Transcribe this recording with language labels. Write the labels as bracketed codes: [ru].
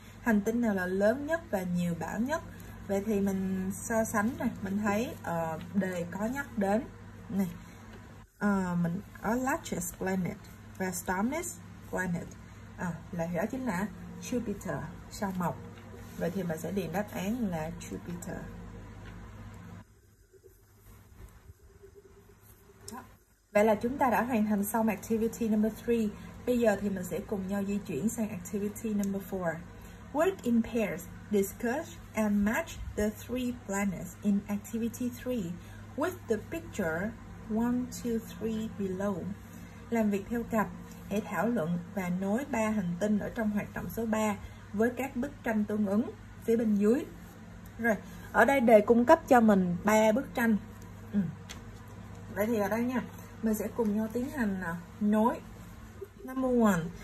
[vi] Hành tinh nào là lớn nhất và nhiều bão nhất? Vậy thì mình so sánh này, mình thấy đề có nhắc đến này, mình có [en] largest planet [vi] và [en] star-mist planet, [vi] là đó chính là Jupiter, sao Mộc. Vậy thì mình sẽ điền đáp án là Jupiter. Vậy là chúng ta đã hoàn thành xong [en] activity number 3. [vi] Bây giờ thì mình sẽ cùng nhau di chuyển sang [en] activity number 4. Work in pairs. Discuss and match the three planets in activity 3 with the picture 1, 2, 3 below. [vi] làm việc theo cặp để thảo luận và nối ba hành tinh ở trong hoạt động số 3 với các bức tranh tương ứng phía bên dưới. Rồi, ở đây đề cung cấp cho mình ba bức tranh. Vậy thì ở đây nha, mình sẽ cùng nhau tiến hành nối. [en] Number 1.